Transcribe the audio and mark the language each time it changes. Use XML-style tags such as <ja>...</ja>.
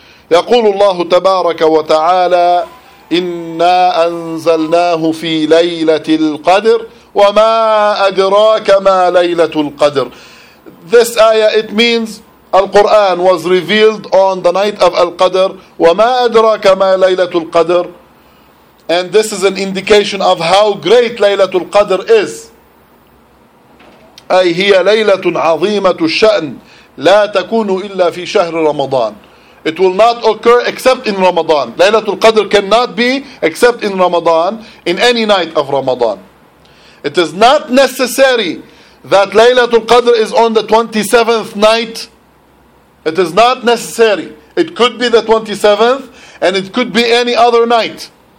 <ar>يقول الله تبارك وتعالى إِنَّا أَنزَلْنَاهُ فِي لَيْلَةِ الْقَدْرِ وَمَا أَدْرَاكَ مَا لَيْلَةُ الْقَدْرِ.</ar> <en>This ayah, it means Al-Quran was revealed on the night of Al-Qadr.</en> <ar>وَمَا أَدْرَاكَ مَا لَيْلَةُ الْقَدْرِ.</ar> <en>And this is an indication of how great Laylatul Qadr is.</en> <ar>أي هي ليلة عظيمة الشأن لا تكون إلا في شهر رمضان.</ar> <en>It will not occur except in Ramadan. Laylatul Qadr cannot be except in Ramadan, in any night of Ramadan. It is not necessary that Laylatul Qadr is on the 27th night. It is not necessary. It could be the 27th and it could be any other night.</en>